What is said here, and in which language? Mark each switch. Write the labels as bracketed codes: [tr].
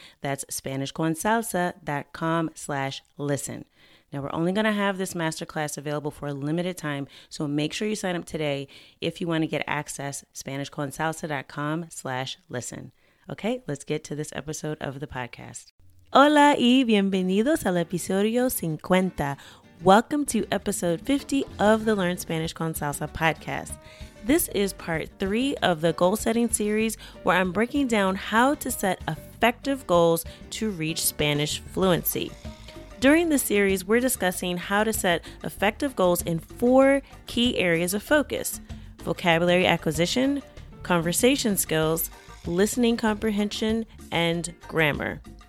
[en] That's SpanishConSalsa.com/listen. Now, we're only going to have this masterclass available for a limited time, so make sure you sign up today if you want to get access, SpanishConSalsa.com/listen. Okay, let's get to this episode of the podcast. [es] Hola y bienvenidos al episodio 50. [en] Welcome to episode 50 of the Learn Spanish con Salsa podcast. This is part 3 of the goal setting series where I'm breaking down how to set effective goals to reach Spanish fluency. During this series, we're discussing how to set effective goals in 4 key areas of focus: vocabulary acquisition, conversation skills, listening comprehension, and grammar.